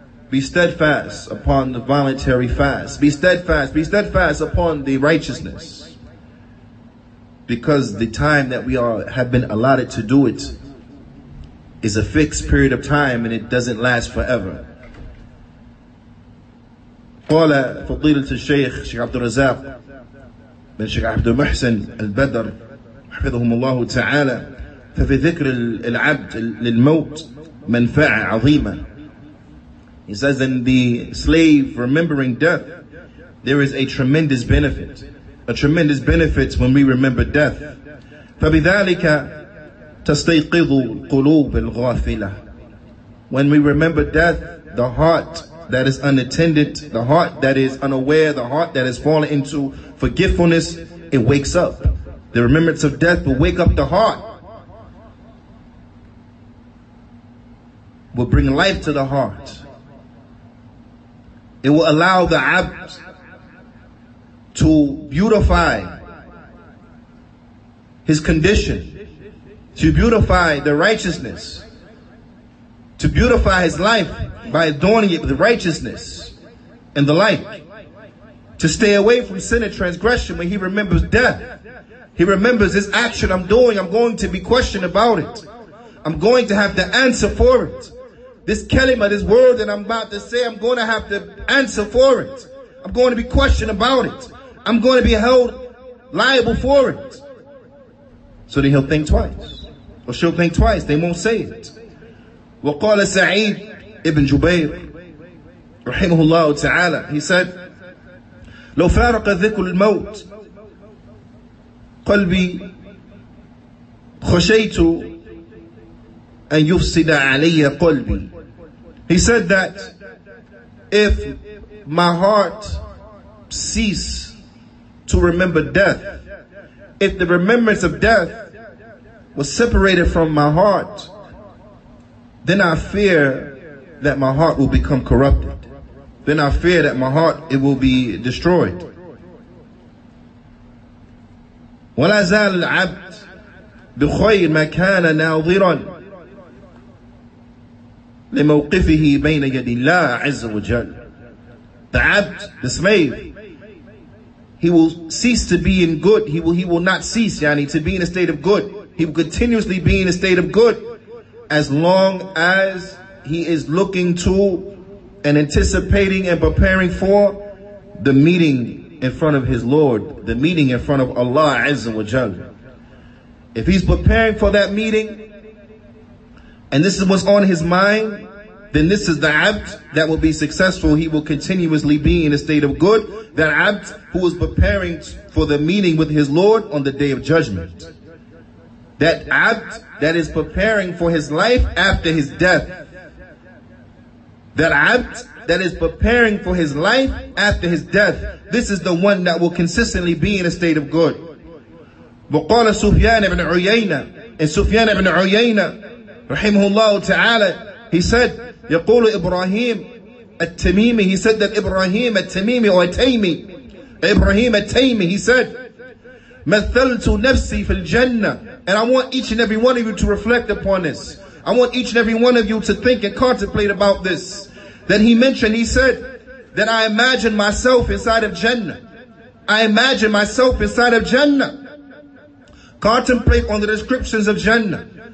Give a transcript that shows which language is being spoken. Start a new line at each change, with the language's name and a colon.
English: Be steadfast upon the voluntary fast. Be steadfast upon the righteousness. Because the time that we are have been allotted to do it is a fixed period of time and it doesn't last forever.
Arabic: قال فضيلة الشيخ شيخ عبد الرزاق بن شيخ عبد المحسن البدر حفظهم الله تعالى ففي ذكر العبد للموت منفعة عظيمة.
English: He says, in the slave remembering death, there is a tremendous benefit. A tremendous benefit when we remember death.
Arabic: فبذلك تستيقظ القلوب الغافلة.
English: When we remember death, the heart that is unattended, the heart that is unaware, the heart that has fallen into forgetfulness, it wakes up. The remembrance of death will wake up the heart, will bring life to the heart. It will allow the abd to beautify his condition, to beautify the righteousness, to beautify his life by adorning it with righteousness and the like, to stay away from sin and transgression when he remembers death. He remembers this action I'm doing, I'm going to be questioned about it. I'm going to have to answer for it. This kalima, this word that I'm about to say, I'm going to have to answer for it. I'm going to be questioned about it. I'm going to be held liable for it. So then he'll think twice. Or she'll think twice. They won't say it.
Arabic: وقال سعيد ابن جبير رحمه الله تعالى.
English: He said,
Arabic: لو فارق ذكر الموت قلبي خشيت أن يفسد علي قلبي.
English: He said that if my heart cease to remember death, if the remembrance of death was separated from my heart, then I fear that my heart will become corrupted. Then I fear that my heart, it will be destroyed.
Arabic: ولا زال العبد بخير ما كان ناظرا لموقفه بين يدي الله عز وجل.
English: The abd, the slave, he will cease to be in good. He will not cease, yani, to be in a state of good. He will continuously be in a state of good as long as he is looking to and anticipating and preparing for the meeting in front of his Lord, the meeting in front of Allah Azza wa Jal. If he's preparing for that meeting and this is what's on his mind, then this is the abd that will be successful. He will continuously be in a state of good. That abd who is preparing for the meeting with his Lord on the Day of Judgment. That abd that is preparing for his life after his death. That abd that is preparing for his life after his death. This is the one that will consistently be in a state of good.
Arabic: وقال سفيان بن عيينة. And سفيان بن عيينة رحمه الله تعالى,
English: he said, يقول
Arabic: إبراهيم التميمي,
English: he said that
Arabic: إبراهيم التميمي or التيمي, إبراهيم التيمي, he said, مثلت نفسي في الجنة.
English: And I want each and every one of you to reflect upon this. I want each and every one of you to think and contemplate about this. That he mentioned, he said, that I imagine myself inside of Jannah. I imagine myself inside of Jannah. Contemplate on the descriptions of Jannah.